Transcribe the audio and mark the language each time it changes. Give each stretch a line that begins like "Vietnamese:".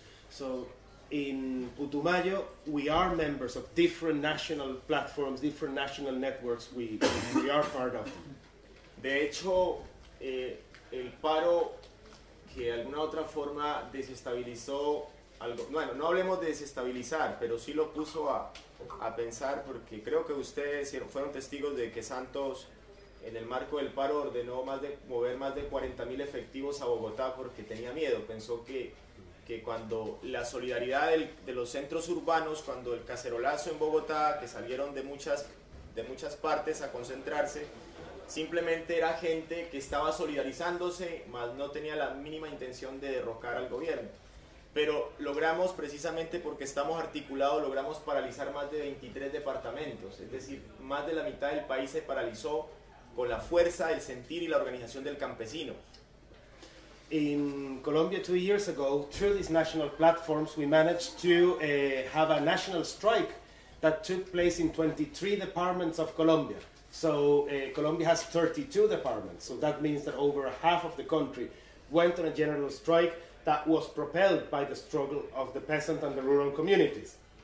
English: So, in Putumayo, we are members of different national platforms, different national networks we are part of.
Spanish: De hecho, el paro que de alguna otra forma desestabilizó algo, bueno, no hablemos de desestabilizar, pero sí lo puso a pensar, porque creo que ustedes fueron testigos de que Santos, en el marco del paro, ordenó mover más de 40.000 efectivos a Bogotá porque tenía miedo, pensó que cuando la solidaridad de los centros urbanos, cuando el cacerolazo en Bogotá, que salieron de muchas partes a concentrarse, simplemente era gente que estaba solidarizándose, mas no tenía la mínima intención de derrocar al gobierno. Pero logramos, precisamente porque estamos articulados, logramos paralizar más de 23 departamentos, es decir, más de la mitad del país se paralizó con la fuerza, el sentir y la organización del campesino.
English: In Colombia, 2 years ago, through these national platforms, we managed to have a national strike that took place in 23 departments of Colombia. So Colombia has 32 departments, so that means that over a half of the country went on a general strike that was propelled by the struggle of the peasant and the rural communities.